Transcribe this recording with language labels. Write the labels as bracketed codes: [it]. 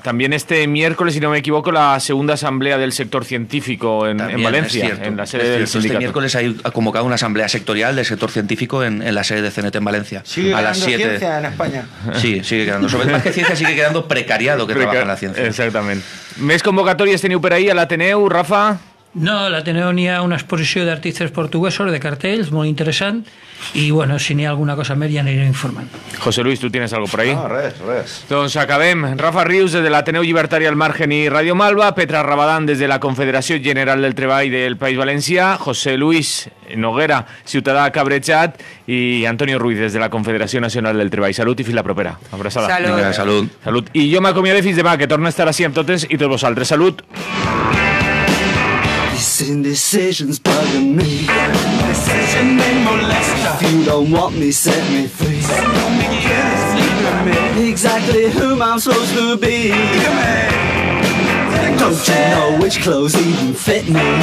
[es] También este miércoles, si no me equivoco, la segunda asamblea del sector científico en Valencia, en la sede del sindicato. Este miércoles hay convocado una asamblea sectorial del sector científico en la sede de CNT en Valencia. Sigue a las 7. Ciencia en España. Sí, sigue quedando. Sobre más que ciencia, sigue quedando precariado que trabaja en la ciencia. Exactamente. [ca] ¿Més convocatorias teniu per ahí a l'Ateneu, Rafa? No, l'Ateneu n'hi ha una exposició d'artistes portuguesos, de cartells, molt interessant, i bueno, si n'hi ha alguna cosa més ja aniré informant. [es] José Luis, ¿tú tienes algo por ahí? [ca] No, res. Doncs acabem. Rafa Rius, des de l'Ateneu Llibertari al Margen i Ràdio Malva, Petra Rabadán, des de la Confederació General del Treball del País Valencià, José Luis Noguera, ciutadà Cabrechat, i Antonio Ruiz, des de la Confederació Nacional del Treball. Salut i fins la propera. Abraçada. Salut. Vinga, salut. Salut. I jo m'acomiado fins demà, que torno a estar així amb totes i tots vosaltres. Salut. [en] Indecision's bugging me. Indecision may molest ya. If you don't want me, set me free. Don't make you sleep with me. Exactly whom I'm supposed to be. Don't you know which clothes even fit me?